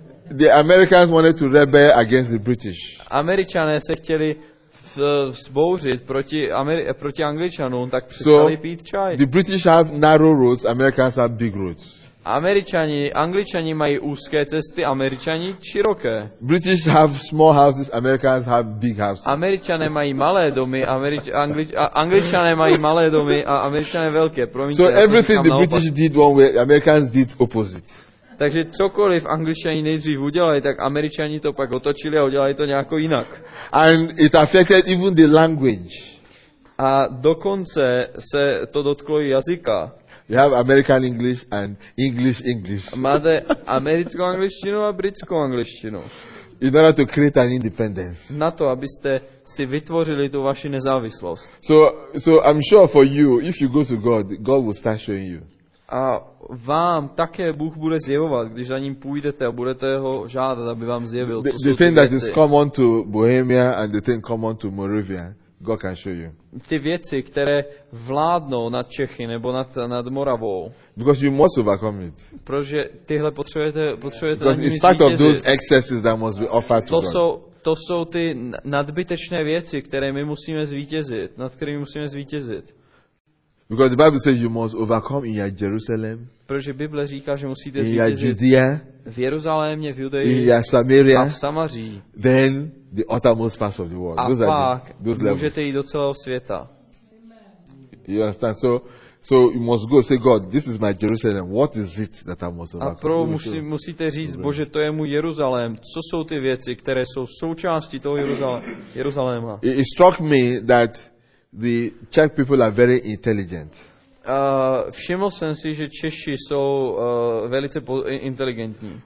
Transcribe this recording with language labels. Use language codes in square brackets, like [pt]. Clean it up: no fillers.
[en] The Americans wanted to rebel against the British. [cs] Američané se chtěli vzbouřit proti Angličanům, tak přestali pít čaj. [en] The British have narrow roads, Americans have big roads. [cs] Angličani mají úzké cesty, Američani široké. [en] British have small houses, Americans have big houses. [cs] Američané mají malé domy, Angličané mají malé domy a Američané velké. Promiňte, [en] so everything the British did one way, Americans did opposite. [cs] Takže cokoliv Angličani nejdřív udělali, tak Američani to pak otočili a udělali to nějako jinak. [en] And it affected even the language. [cs] A dokonce se to dotklo i jazyka. [en] You have American English and English English. [cs] Máte americkou angličtinu a britskou angličtinu. [en] In order to create an independence. [cs] Na to, abyste si vytvořili tu vaši nezávislost. [en] So I'm sure for you, if you go to God, God will start showing you. [cs] A vám také Bůh bude zjevovat, když za ním půjdete a budete ho žádat, aby vám zjevil, co jsou ty věci. [en] The thing that is common to Bohemia and the thing common to Moravia, God can show you. [cs] Ty věci, které vládnou nad Čechy nebo nad Moravou. [en] Because you must overcome it. [cs] Protože tyhle potřebujete na nimi zvítězit. [en] Because it's part of those excesses that must be offered to God. [cs] To jsou ty nadbytečné věci, které my musíme zvítězit, nad kterými musíme zvítězit. [en] Because the Bible says you must overcome in your Jerusalem. [cs] Protože Bible říká, že musíte zvítězit. [en] In your Judea. [cs] V Jeruzalémě, v Judeji. [en] In your Samaria. [cs] A v Samaří. [en] Then the uttermost parts of the world. [cs] A [en] those [cs] pak [en] those [cs] můžete jít do celého světa. [en] You understand? So you must go say God, this is my Jerusalem. What is it that I must overcome? [cs] A pro musíte říct, Bože, to je můj Jeruzalém. Co jsou ty věci, které jsou součástí toho Jeruzaléma? [en] It struck me that the Czech people are very intelligent. [cs] Všiml jsem si, že Češi jsou velice inteligentní.